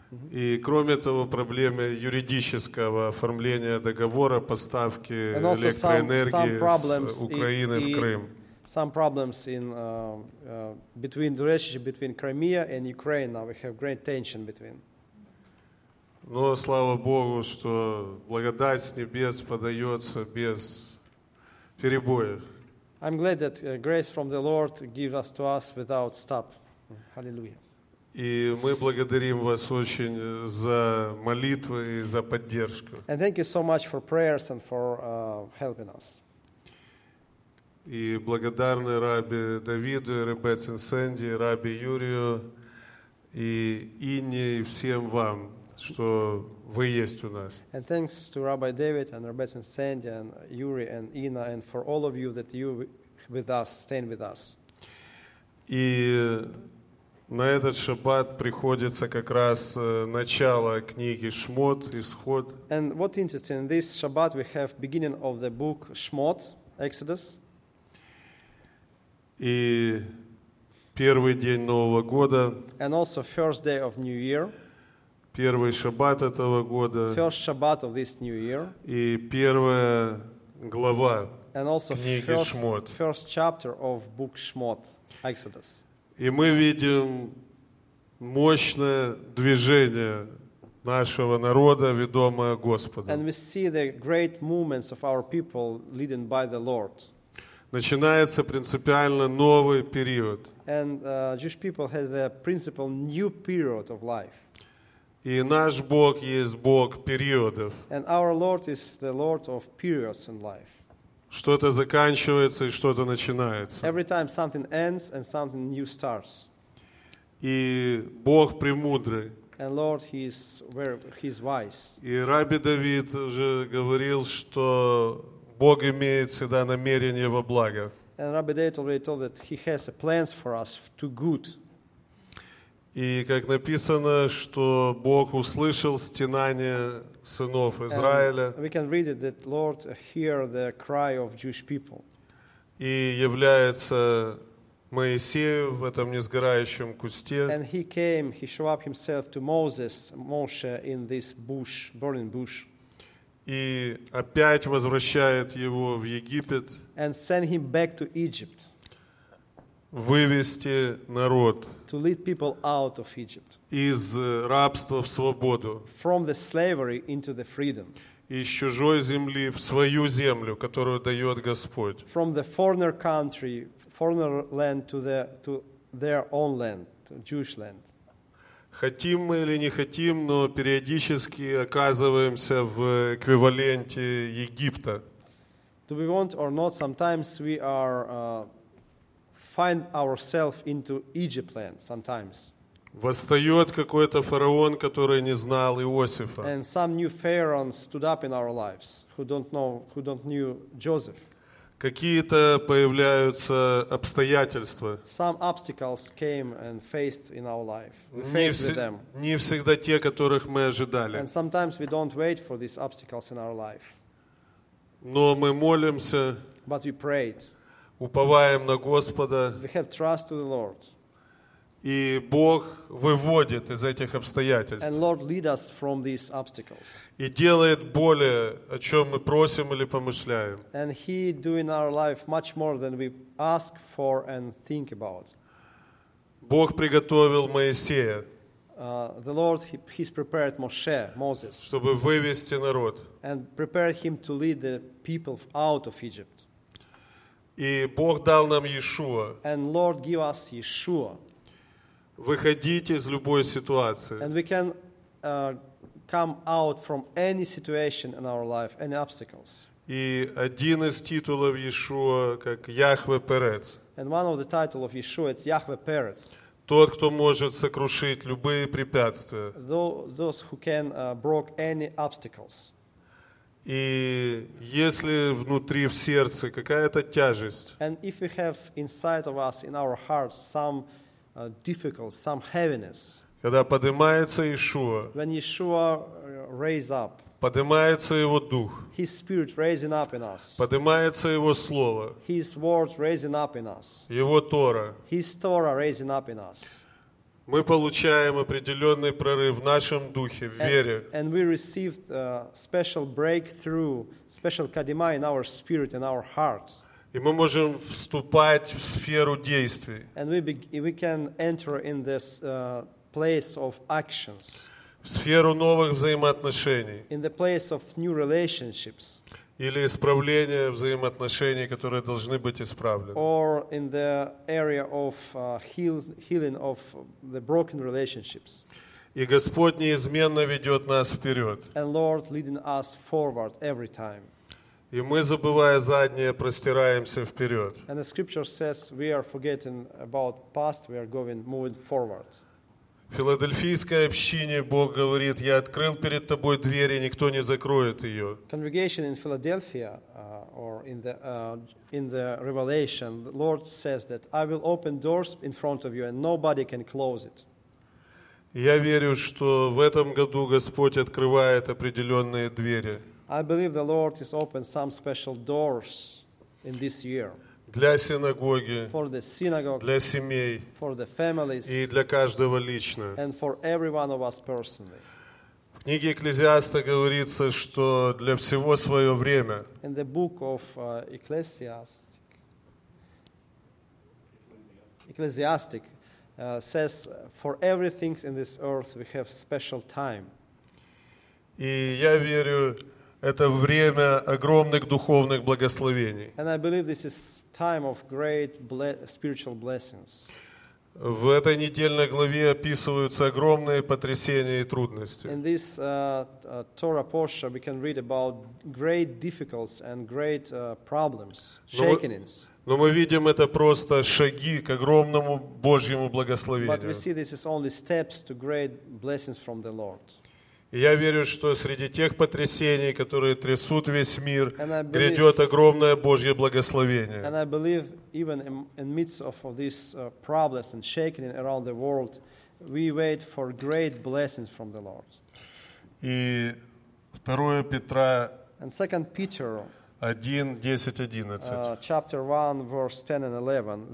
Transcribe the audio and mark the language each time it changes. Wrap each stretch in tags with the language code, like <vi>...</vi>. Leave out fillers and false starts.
<ru>И кроме того, проблемы юридического оформления договора поставки электроэнергии с Украины в Крым.</ru> <en>Some problems in between the relationship between Crimea and Ukraine. Now we have great tension between.</en> <ru>Но слава Богу, что благодать с небес подается без перебоев.</ru> <en>I'm glad that grace from the Lord gives us to us without stop. Hallelujah.</en> <ru>И мы благодарим вас очень за молитвы и за поддержку.</ru> <en>And thank you so much for prayers and for helping us.</en> <ru>И благодарны Рабби Давиду, Ребецин Сэнди, Рабби Юрию и Инне и всем вам, что вы есть у нас.</ru> <en>And thanks to Rabbi David and Ребецин Сэнди and Юри and Инна and for all of you that you with us, staying with us.</en> <ru>И на этот шаббат приходится как раз начало книги Шмот, Исход.</ru> <en>And what interesting, this Shabbat we have beginning of the book Shmot, Exodus.</en> <ru>И первый день Нового года.</ru> <en>And also first day of New Year.</en> <ru>Первый шаббат этого года.</ru> <en>First Shabbat of this New Year.</en> <ru>И первая глава книги Шмот.</ru> <en>First chapter of book Shmot, Exodus.</en> <ru>И мы видим мощное движение нашего народа, ведомая Господом.</ru> <en>And we see the great movements of our people led by the Lord.</en> <ru>Начинается принципиально новый период.</ru> <en>And Jewish people has a principal new period of life.</en> <ru>И наш Бог есть Бог периодов.</ru> <en>And our Lord is the Lord of periods in life.</en> <ru>Что-то заканчивается и что-то начинается.</ru> <en>Every time something ends and something new starts.</en> <ru>И Бог премудрый.</ru> <en>And Lord, he is very, he is wise.</en> <ru>И Раби Давид уже говорил, что Бог имеет всегда намерение во благо.</ru> <en>And Rabbi David already told that he has plans for us to good.</en> <ru>И как написано, что Бог услышал стенание сынов Израиля.</ru> <en>And we can read it that Lord hear the cry of Jewish people.</en> <ru>И является Моисею в этом несгорающем кусте.</ru> <en>And he came, he showed up himself to Moses, Moshe, in this bush, burning bush.</en> <ru>И опять возвращает его в Египет.</ru> <en>And send him back to Egypt.</en> <ru>Вывести народ.</ru> <en>To lead people out of Egypt.</en> <ru>Из рабства в свободу.</ru> <en>From the slavery into the freedom.</en> <ru>Из чужой земли в свою землю, которую дает Господь.</ru> <en>From the foreigner country, foreigner land to their own land, to Jewish land.</en> <ru>Хотим мы или не хотим, но периодически оказываемся в эквиваленте Египта.</ru> <en>Do we want or not, sometimes we are find ourselves into Egypt land sometimes.</en> <ru>Восстает какой-то фараон, который не знал Иосифа.</ru> <en>And some new pharaoh stood up in our lives who don't know Joseph.</en> <ru>Какие-то появляются обстоятельства.</ru> <en>Some obstacles came and faced in our life. We faced with them.</en> <ru>Не всегда те, которых мы ожидали.</ru> <en>And sometimes we don't wait for these obstacles in our life.</en> <ru>Но мы молимся.</ru> <en>But we prayed.</en> <ru>Уповаем на Господа.</ru> <en>We have trust to the Lord.</en> <ru>И Бог выводит из этих обстоятельств.</ru> <en>And Lord lead us from these obstacles.</en> <ru>И делает более, о чем мы просим или помышляем.</ru> <en>And he do in our life much more than we ask for and think about.</en> <ru>Бог приготовил Моисея.</ru> <en>The Lord he's prepared Moshe, Moses.</en> <ru>Чтобы вывести народ.</ru> <en>And prepared him to lead the people out of Egypt.</en> <ru>И Бог дал нам Иешуа.</ru> <en>And Lord give us Yeshua.</en> <ru>Выходите из любой ситуации.</ru> <en>And we can come out from any situation in our life, any obstacles.</en> <ru>И один из титулов Иешуа как Яхве Перец.</ru> <en>And one of the titles of Yeshua is Yahweh Peretz.</en> <ru>Тот, кто может сокрушить любые препятствия.</ru> <en>Those who can break any obstacles.</en> <ru>И если внутри в сердце какая-то тяжесть.</ru> <en>And if we have inside of us in our hearts some difficult, some heaviness.</en> <ru>Когда поднимается Иешуа,</ru> <en>when Yeshua raise up,</en> <ru>поднимается его дух,</ru> <en>his spirit raising up in us,</en> <ru>поднимается его слово,</ru> <en>his word raising up in us,</en> <ru>его Тора,</ru> <en>his Torah raising up in us,</en> <ru>мы получаем определенный прорыв в нашем духе, в вере.</ru> <en>And we received a special breakthrough, special kadima in our spirit, in our heart.</en> <ru>И мы можем вступать в сферу действий.</ru> <en>And we can enter in this place of actions.</en> <ru>В сферу новых взаимоотношений.</ru> <en>In the place of new relationships.</en> <ru>Или исправления взаимоотношений, которые должны быть исправлены.</ru> <en>Or in the area of healing of the broken relationships.</en> <ru>И Господь неизменно ведет нас вперед.</ru> <en>And Lord leading us forward every time.</en> <ru>И мы, забывая заднее, простираемся вперед.</ru> <en>And the scripture says we are forgetting about past, we are moving forward.</en> <ru>В Филадельфийской общине Бог говорит, я открыл перед тобой дверь, и никто не закроет ее.</ru> <en>Congregation in Philadelphia, or in the Revelation, the Lord says that I will open doors in front of you, and nobody can close it.</en> <ru>Я верю, что в этом году Господь открывает определенные двери.</ru> <en>I believe the Lord has opened some special doors in this year.</en> <ru>Для синагоги,</ru> <en>for the synagogue,</en> <ru>для семей,</ru> <en>for the families,</en> <ru>и для каждого лично.</ru> <en>And for every one of us personally.</en> <ru>В книге Экклезиаста говорится, что для всего свое время.</ru> <en>In the book of Ecclesiastic says, for everything in this earth we have special time.</en> <ru>И я верю, это время огромных духовных благословений.</ru> <en>And I believe this is time of great spiritual blessings.</en> <ru>В этой недельной главе описываются огромные потрясения и трудности.</ru> <en>In this Torah portion, we can read about great difficulties and great problems, shakings.</en> <ru>Но мы видим это просто шаги к огромному Божьему благословению.</ru> <en>But we see this is only steps to great blessings from the Lord.</en> <ru>Я верю, что среди тех потрясений, которые трясут весь мир, грядет огромное Божье благословение.</ru> <en>And I believe even in midst of these problems and shaking around the world, we wait for great blessings from the Lord.</en> <ru>И 2 Петра</ru> <en>1:10-11. Chapter 1, verse 10 and 11.</en>